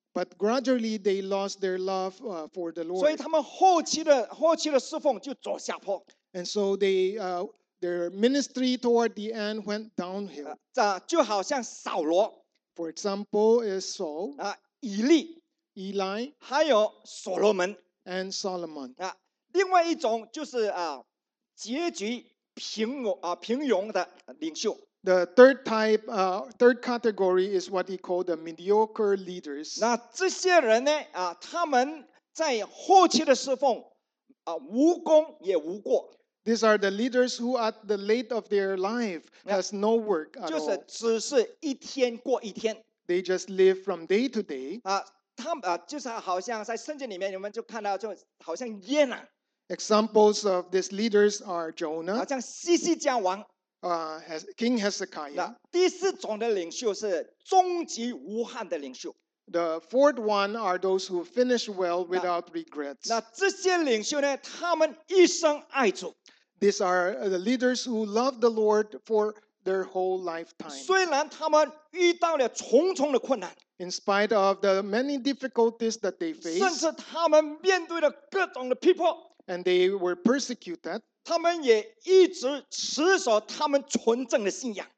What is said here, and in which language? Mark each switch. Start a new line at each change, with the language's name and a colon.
English: But gradually they lost their love for the Lord.
Chinese: 所以他们后期的侍奉就走下坡。
English: And so their ministry toward the end went downhill.
Chinese: 就好像扫罗。
English: For example, is Saul.
Chinese: 以利。
English: Eli.
Chinese: 还有所罗门。
English: And Solomon.
Chinese: 另外一种就是结局平庸的领袖。
English: The third type, third category is what he called the mediocre leaders.
Chinese: 那这些人呢？他们在后期的侍奉，无功也无过。
English: These are the leaders who, at the late of their life, has no work at all.
Chinese: 就是只是一天过一天。
English: They just live from day to day.
Chinese: 就是好像在圣经里面，你们就看到，就好像耶拿。
English: Examples of these leaders are Jonah.
Chinese: 好像西西家王。
English: King Hezekiah.
Chinese: 第四种的领袖是终极无憾的领袖。
English: The fourth one are those who finish well without regrets.
Chinese: 那这些领袖呢？他们一生爱主。
English: These are the leaders who love the Lord for their whole lifetime.
Chinese: 虽然他们遇到了重重的困难。
English: In spite of the many difficulties that they face.
Chinese: 甚至他们面对了各种的逼迫。
English: And they were persecuted.
Chinese: 他们也一直持守他们纯正的信仰。